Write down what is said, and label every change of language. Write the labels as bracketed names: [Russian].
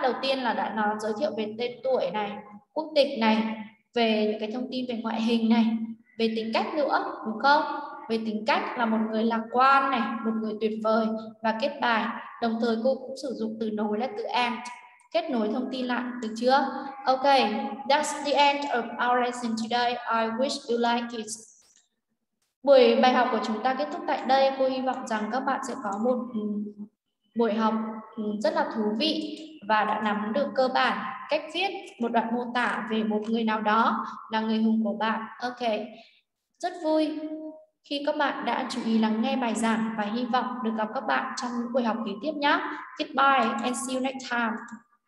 [Vietnamese] Đầu tiên là đã nói giới thiệu về tên tuổi này, quốc tịch này, về cái thông tin về ngoại hình này, về tính cách nữa, đúng không? Về tính cách là một người lạc quan này, một người tuyệt vời, và kết bài. Đồng thời cô cũng sử dụng từ nối là từ and, kết nối thông tin lại, được chưa? [English] Ok, that's the end of our lesson today. I wish you like it. [Vietnamese] Buổi bài học của chúng ta kết thúc tại đây. Cô hy vọng rằng các bạn sẽ có một buổi học rất là thú vị và đã nắm được cơ bản cách viết một đoạn mô tả về một người nào đó là người hùng của bạn. Ok, rất vui khi các bạn đã chú ý lắng nghe bài giảng và hy vọng được gặp các bạn trong những buổi học kế tiếp nhé. [English] Goodbye and see you next time.